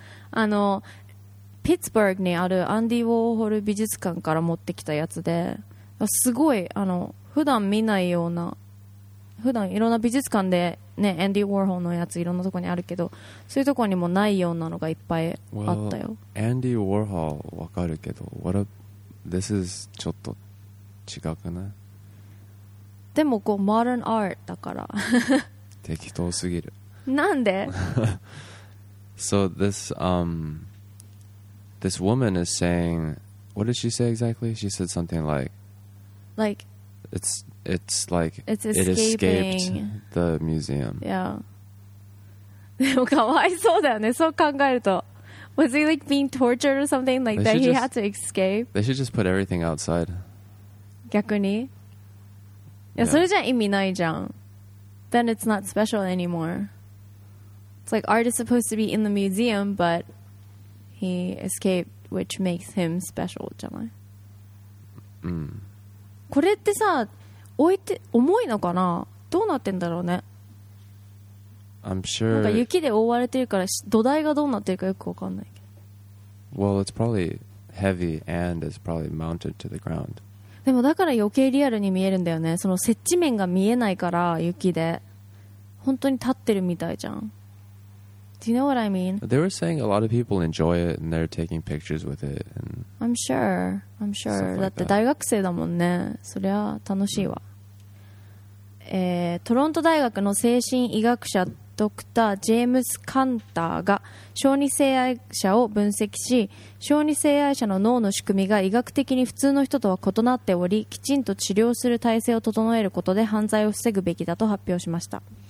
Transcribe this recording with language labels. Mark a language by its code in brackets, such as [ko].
[ja] あのピッツバーグにあるアンディ・ウォーホル美術館から持ってきたやつで、すごいあの普段見ないような、普段いろんな美術館でね、アンディ・ウォーホルのやついろんなとこにあるけど、そういうとこにもないようなのがいっぱいあったよ。アンディ・ウォーホルわかるけど、 [en] This is [ja] ちょっと違くない？でもこう、モダンアートだから。適当すぎる。なんで？ [en] So this woman is saying, what did she say exactly? She said something like,It's like it escaped the museum. Yeah. [ja] でもかわいそうだよね。そう考えると。 [en] Was he like being tortured or something? Like that he had to escape? They should just put everything outside. [ja] 逆に？いや、それじゃ意味ないじゃん。 [en] then it's not special anymore. It's like art is supposed to be in the museum, but he escaped, which makes him special [ja] じゃない? これってさ、置いて、重いのかな?どうなってんだろうね? [en] I'm sure... [ja] なんか雪で覆われてるから、土台がどうなってるかよくわかんないけど。 [en] Well, it's probably heavy and it's probably mounted to the ground. [ja] でもだから余計リアルに見えるんだよね。その接地面が見えないから雪で本当に立ってるみたいじゃん。 [en] Do you know what I mean? They were saying a lot of people enjoy it and they're taking pictures with it. And I'm sure.、Like、 [ja] だって大学生だもんね。そりゃ楽しいわ、トロント大学の精神医学者ドクター・ジェームス・カンターが小児性愛者を分析し、小児性愛者の脳の仕組みが医学的に普通の人とは異なっており、きちんと治療する体制を整えることで犯罪を防ぐべきだと発表しました。